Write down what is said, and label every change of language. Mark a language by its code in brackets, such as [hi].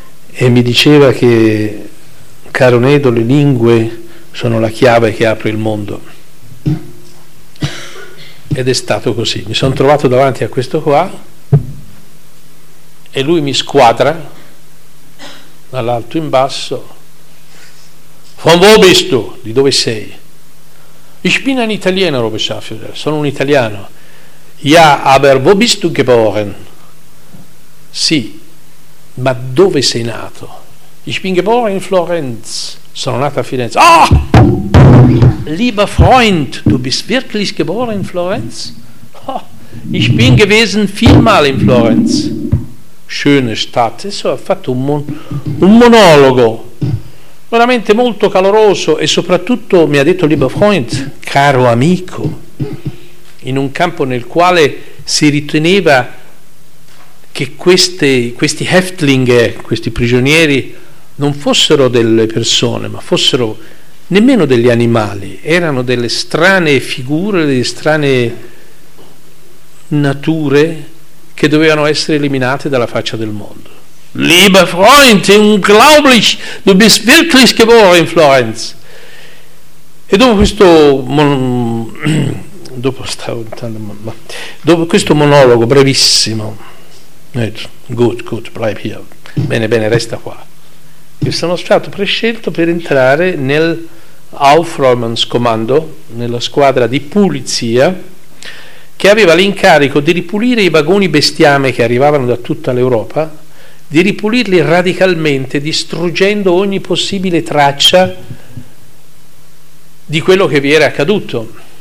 [it] E mi diceva che, caro Nedo, le lingue sono la chiave che apre il mondo. Ed è stato così. Mi sono trovato davanti a questo qua e lui mi squadra dall'alto in basso. [de] Von wo bist du? [it] Di dove sei? [de] Ich bin ein Italiener, Robert Schaffer. [it] Sono un italiano. [de] Ja, aber wo bist du geboren? [it] Sì, ma dove sei nato? [de] Ich bin geboren in Florenz. [it] Sono nato a Firenze. Ah! Oh! [de] Lieber Freund, du bist wirklich geboren in Florenz? Oh, ich bin gewesen vielmal in Florenz. Schöne Stadt. [it] E so ha fatto un monologo veramente molto caloroso e soprattutto mi ha detto, [de] lieber Freund, [it] caro amico, in un campo nel quale si riteneva che questi häftlinge, questi prigionieri, non fossero delle persone, ma fossero nemmeno degli animali, erano delle strane figure, delle strane nature che dovevano essere eliminate dalla faccia del mondo. [de] Lieber Freund, unglaublich, du bist wirklich geboren in Florenz. [it] E dopo questo monologo brevissimo, good, [de] bleib hier. [it] Bene, resta qua. E sono stato prescelto per entrare nel Aufräumungskommando, nella squadra di pulizia, che aveva l'incarico di ripulire i vagoni bestiame che arrivavano da tutta l'Europa, di ripulirli radicalmente, distruggendo ogni possibile traccia di quello che vi era accaduto.